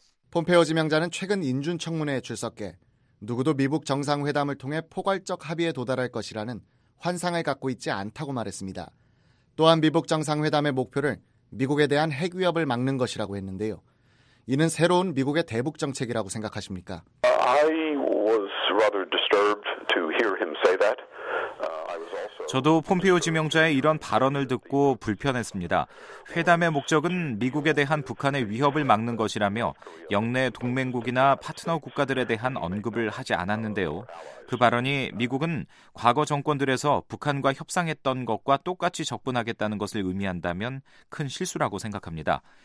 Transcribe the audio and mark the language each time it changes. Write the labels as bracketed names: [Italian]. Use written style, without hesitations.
[Korean] 폼페오 지명자는 최근 인준청문회에 출석해 누구도 미북 정상회담을 통해 포괄적 합의에 도달할 것이라는 환상을 갖고 있지 않다고 말했습니다. 또한 미북 정상회담의 목표를 미국에 대한 핵 위협을 막는 것이라고 했는데요. 이는 새로운 미국의 대북 정책이라고 생각하십니까? [English] I was rather disturbed to hear him say that. [Korean] 저도 폼페오 지명자의 이런 발언을 듣고 불편했습니다. 회담의 목적은 미국에 대한 북한의 위협을 막는 것이라며 영내 동맹국이나 파트너 국가들에 대한 언급을 하지 않았는데요. 그 발언이 미국은 과거 정권들에서 북한과 협상했던 것과 똑같이 접근하겠다는 것을 의미한다면 큰 실수라고 생각합니다.